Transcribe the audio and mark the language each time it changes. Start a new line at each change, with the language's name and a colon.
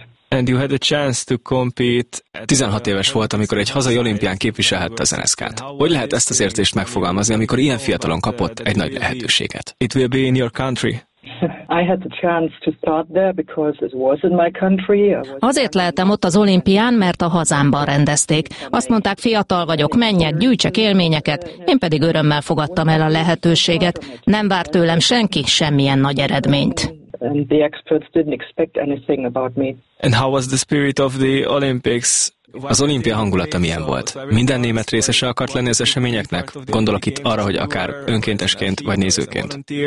English: And you had a chance to compete.
Hungarian: 16 éves volt, amikor egy hazai olimpián képviselhette a NSZK-t. Hogy lehet ezt az érzést megfogalmazni, amikor ilyen fiatalon kapott egy nagy lehetőséget?
English: It will be in your country. I had the chance to start there because it was in my country.
Hungarian: Azért lehettem ott az olimpián, mert a hazámban rendezték. Azt mondták, fiatal vagyok, menjek, gyűjtsek élményeket. Én pedig örömmel fogadtam el a lehetőséget. Nem várt tőlem senki semmilyen nagy eredményt.
English: And the experts didn't expect anything about me. And how was the spirit of the Olympics?
Hungarian: Az olimpia hangulata milyen volt? Minden német részese akart lenni az eseményeknek? Gondolok itt arra, hogy akár önkéntesként vagy nézőként.